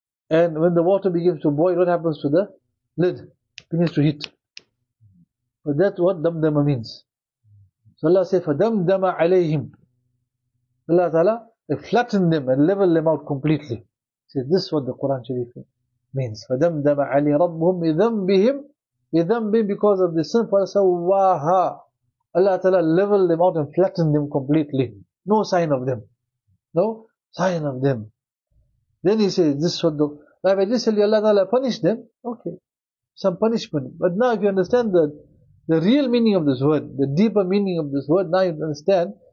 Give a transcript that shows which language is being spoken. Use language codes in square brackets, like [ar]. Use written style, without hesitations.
[en] And when the water begins to boil, what happens to the lid? It begins to heat. But that's what damdama means. So Allah says, فَدَمْدَمَ عَلَيْهِمْ. Allah Ta'ala, they flatten them and level them out completely. See, this is what the Quran Sharif means. [ar] فَدَمْدَمَ عَلِي رَبُّهُمْ بِذَنْبِهِمْ بِذَنْبِهِمْ [en] because of the sin. [ar] فَسَوَّاهَا. [en] Allah Ta'ala level them out and flatten them completely. No sign of them. No sign of them. Then he says, this is what the... Now if I just tell you Allah Ta'ala punish them, okay. Some punishment. But now if you understand the real meaning of this word, the deeper meaning of this word, now you understand.